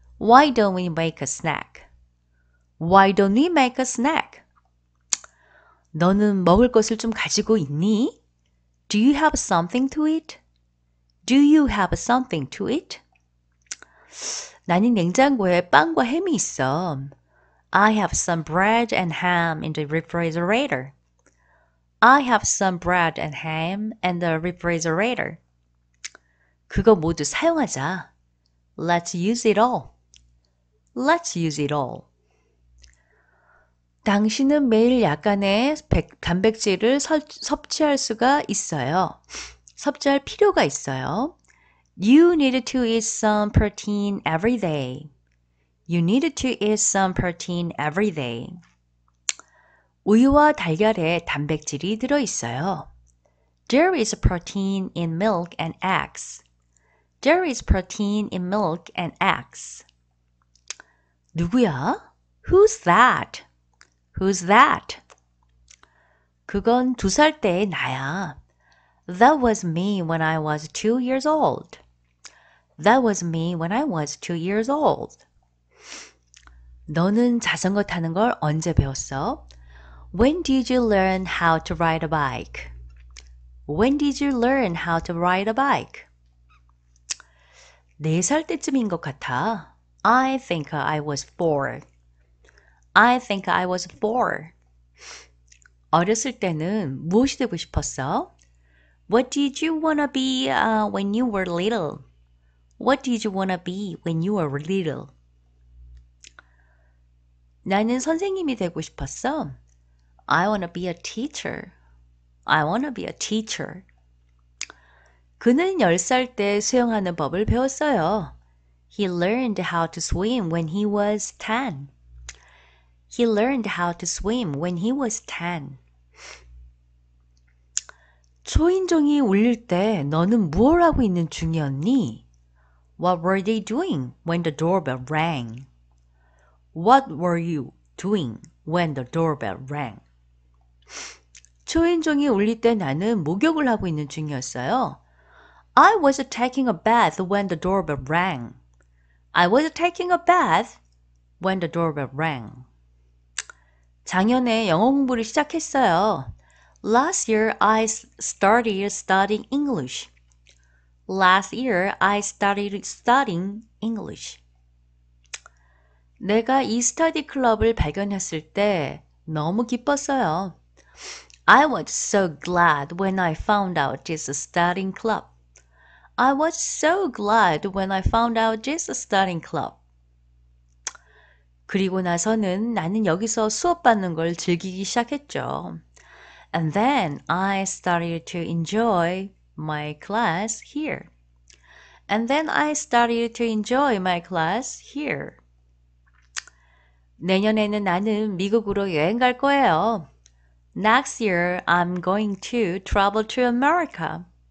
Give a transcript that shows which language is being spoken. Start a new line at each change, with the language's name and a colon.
English: Why don't we make a snack? Why don't we make a snack?
Korean: 너는 먹을 것을 좀 가지고 있니?
English: Do you have something to eat? Do you have something to eat?
Korean: 나는 냉장고에 빵과 햄이 있어.
English: I have some bread and ham in the refrigerator. I have some bread and ham in the refrigerator.
Korean: 그거 모두 사용하자.
English: Let's use it all. Let's use it all.
Korean: 당신은 매일 약간의 단백질을 섭취할 수가 있어요. 섭취할 필요가 있어요.
English: You need to eat some protein every day. You need to eat some protein every day.
Korean: 우유와 달걀에 단백질이 들어 있어요.
English: There is protein in milk and eggs. There is protein in milk and eggs.
Korean: 누구야?
English: Who's that? Who's that?
Korean: 그건 두 살 때 나야.
English: That was me when I was 2 years old. That was me when I was 2 years old.
Korean: 너는 자전거 타는 걸 언제 배웠어?
English: When did you learn how to ride a bike? When did you learn how to ride a bike?
Korean: 네 살 때쯤인 것 같아.
English: I think I was 4. I think I was 4.
Korean: 어렸을 때는 무엇이 되고 싶었어?
English: What did you wanna be when you were little? What did you wanna be when you were little?
Korean: 나는 선생님이 되고 싶었어.
English: I wanna be a teacher. I wanna be a teacher.
Korean: 그는 10살 때 수영하는 법을 배웠어요.
English: He learned how to swim when he was 10. He learned how to swim when he was 10.
Korean: 초인종이 울릴 때 너는 무엇을 하고 있는 중이었니?
English: What were they doing when the doorbell rang? What were you doing when the doorbell rang?
Korean: 초인종이 울릴 때 나는 목욕을 하고 있는 중이었어요.
English: I was taking a bath when the doorbell rang. I was taking a bath when the doorbell rang.
Korean: 작년에 영어 공부를 시작했어요.
English: Last year, I started studying English. Last year, I started studying English.
Korean: 내가 이 스터디 클럽을 발견했을 때 너무 기뻤어요.
English: I was so glad when I found out it's a studying club. I was so glad when I found out it's a studying club.
Korean: 그리고 나서는 나는 여기서 수업받는 걸 즐기기 시작했죠.
English: And then I started to enjoy my class here. And then I started to enjoy my class here.
Korean: 내년에는 나는 미국으로 여행 갈 거예요.
English: Next year, I'm going to travel to America.